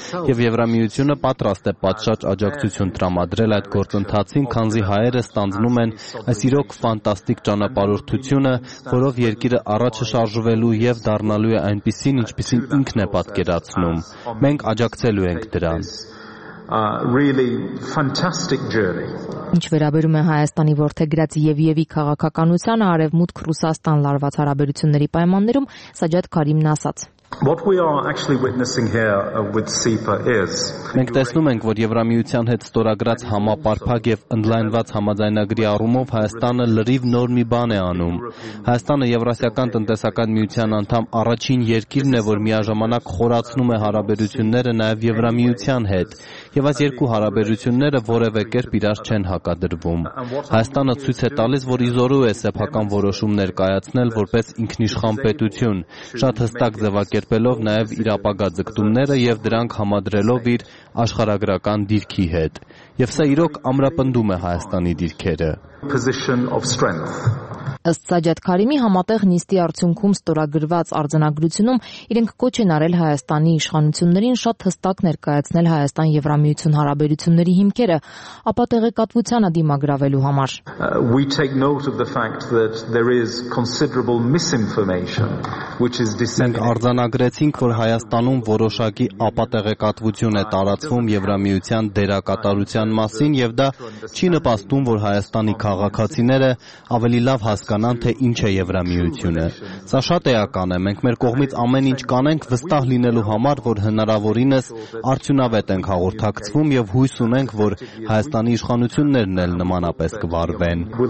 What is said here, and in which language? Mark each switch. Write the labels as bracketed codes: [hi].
[hy] Եվ Եվրամիությունը պատրաստ է պատշաճ աջակցություն տրամադրել այդ ընթացին, քանզի հայերը ստանձնում են այս իրոք ֆանտաստիկ ճանապարհորդությունը, որով երկիրը առաջ է շարժվելու և դառնալու է այնպիսին, ինչպիսին ինքն է պատկերացնում։ Մենք աջակցելու ենք դրան։ Ինչ վերաբերում է Հայաստանի որդեգրացի Եվիևի քաղաքականությանը, արևմուտք Ռուսաստան լարված հարաբերությունների պայմաններում Սաջադ Քարիմն ասաց. [en] What we are actually witnessing here with SEPA is [hy] մենք տեսնում ենք, որ Եվրամիության հետ ստորագրած համապարփակ եւ ընդլայնված համաձայնագրի առումով Հայաստանը լրիվ նոր մի բան է անում։ Հայաստանը Եվրասիական տնտեսական միության անդամ առաջին երկիրն է, որ միաժամանակ խորացնում է հարաբերությունները նաեւ Եվրամիության հետ, եւ այս երկու հարաբերությունները որևէ կերպ իրար չեն հակադրվում։ Հայաստանը ցույց է տալիս, որ իզորու է սեփական որոշում ներկայացնել որպես ինքնիշխան պետություն, շատ հստակ ձևակերպելով նաև իր ապագա ձգտումները և դրանք համադրելով իր աշխարհագրական դիրքի հետ։ Եվ սա իրոք ամրապնդում է Հայաստանի դիրքերը։ Ըստ Սաջադ Քարիմի, համատեղ նիստի արդյունքում ստորագրված արձանագրությունում իրենք կոչ են արել Հայաստանի իշխանություններին շատ հստակ ներկայացնել Հայաստան-Եվրամիություն հարաբերությունների հիմքերը ապա տեղեկատվությանը դիմագրավելու համար։ [en] We take note of the fact that there is considerable misinformation which is disseminated. [hy] Մենք արձանագրեցինք, որ Հայաստանում որոշակի ապատեղեկատվություն է տարածվում Եվրամիության դերակատարության մասին, և դա չի նպաստում, որ Հայաստանի քաղաքացիները ավելի լավ հասկանան հասկանան, թե ինչ է Եվրամիությունը։ Սա շատ էական է, մենք մեր կողմից ամեն ինչ կանենք վստահ լինելու համար, որ հնարավորինս արդյունավետ ենք հաղորդակցվում և հույս ունենք, որ Հայաստանի իշխանություններն էլ նմանապես կվարվեն։